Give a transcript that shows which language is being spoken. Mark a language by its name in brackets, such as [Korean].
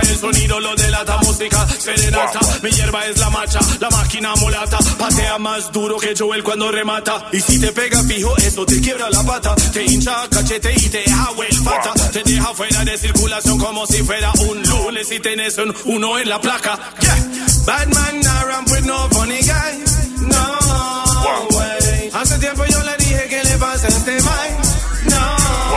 [Spanish] El sonido lo delata, música serenata. Mi hierba es la macha, la máquina mulata. Patea más duro que Joel cuando remata. Y si te pega fijo, eso te quiebra la pata. Te hincha cachete y te deja huelpata. Te deja fuera de circulación como si fuera un lunes. Y tenés un uno en la placa, yeah. [English] Bad man, I ramp with no funny guy. No way. [Spanish] Hace tiempo yo le dije que le pase a este mic.